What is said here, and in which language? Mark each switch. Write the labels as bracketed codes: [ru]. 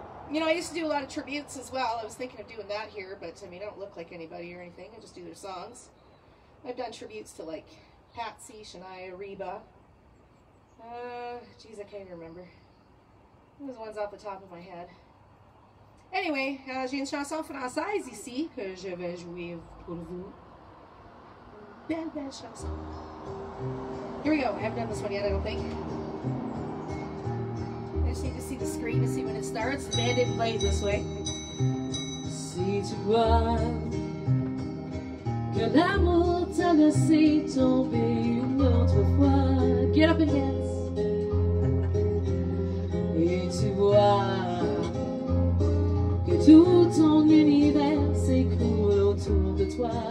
[en] You know, I used to do a lot of tributes as well. I was thinking of doing that here, but I mean, I don't look like anybody or anything. I just do their songs. I've done tributes to like Patsy, Shania, Reba. Geez, I can't even remember. Those ones off the top of my head. [fr] Anyway, j'ai une chanson française ici que je vais jouer pour vous. [en] Here we go. I haven't done this one yet, I don't think. I just need to see the screen to see when it starts. Man didn't play it this way. [fr] Si tu vois que l'amour t'a laissé tomber une autre fois. [en] Get up and dance. [fr] Et tu vois que tout ton univers s'écroule autour de toi.